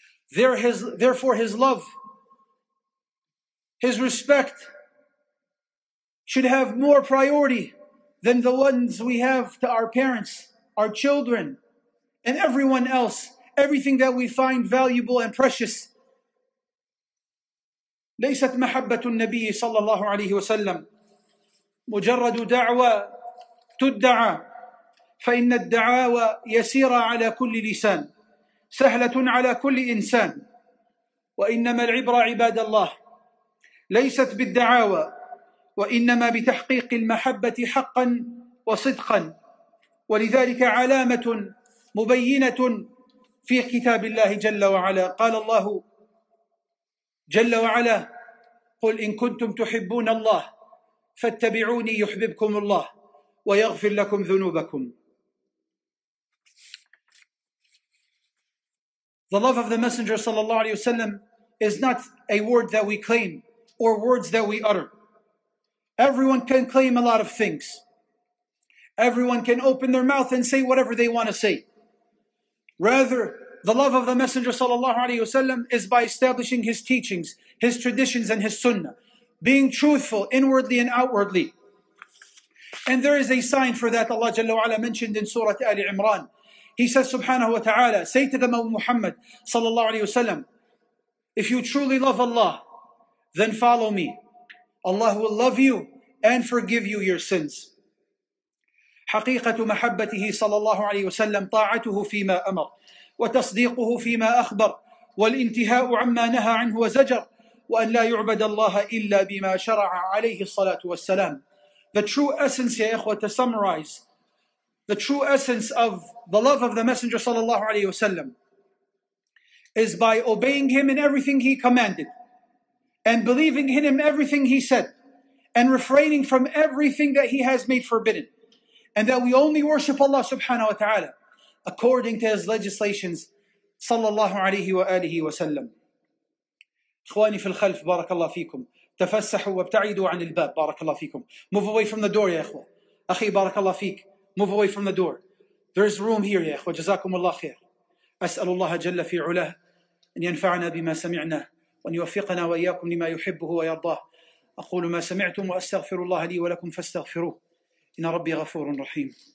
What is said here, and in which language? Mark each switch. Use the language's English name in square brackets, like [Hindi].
[English] Therefore his love, his respect should have more priority than the ones we have to our parents, our children, and everyone else, everything that we find valuable and precious. [Arabic] ليست محبة النبي صلى الله عليه وسلم مجرد دعوة تدعى فإن الدعاوى يسيرة على كل لسان سهلة على كل إنسان وإنما العبرة عباد الله ليست بالدعاوى وإنما بتحقيق المحبة حقا وصدقا ولذلك علامة مبينة في كتاب الله جل وعلا قال الله جل وعلا قل إن كنتم تحبون الله فاتبعوني يحببكم الله وَيَغْفِرْ لَكُمْ ذُنُوبَكُمْ. [English] The love of the Messenger sallallahu alayhi wa sallam is not a word that we claim or words that we utter. Everyone can claim a lot of things. Everyone can open their mouth and say whatever they want to say. Rather, the love of the Messenger sallallahu alayhi wa sallam is by establishing his teachings, his traditions and his sunnah, being truthful inwardly and outwardly. And there is a sign for that Allah Jalla wa'ala mentioned in Surah Ali Imran. He says, subhanahu wa ta'ala, say to them, O Muhammad sallallahu alayhi wa sallam, if you truly love Allah, then follow me. Allah will love you and forgive you your sins. [Arabic] حقيقة محبته صلى الله عليه وسلم طاعته فيما أمر، وتصديقه فيما أخبر، والانتهاء عما نهى عنه وزجر، وأن لا يعبد الله إلا بما شرع عليه الصلاة والسلام. [English] The true essence, [Arabic] يا إخوة, [English] to summarize, the true essence of the love of the Messenger [Arabic] صلى الله عليه وسلم [English] is by obeying him in everything he commanded and believing in him everything he said and refraining from everything that he has made forbidden, and that we only worship Allah subhanahu wa ta'ala according to his legislations [Arabic] صلى الله عليه وآله وسلم. إخواني في الخلف بارك الله فيكم تفسحوا وابتعدوا عن الباب بارك الله فيكم. [English] Move away from the door [Arabic] يا إخوة. أخي بارك الله فيك. [English] Move away from the door. There is room here [Arabic] يا إخوة. جزاكم الله خير. أسأل الله جل في علاه أن ينفعنا بما سمعنا وأن يوفقنا وإياكم لما يحبه ويرضاه. أقول ما سمعتم وأستغفر الله لي ولكم فاستغفروه إن ربي غفور رحيم.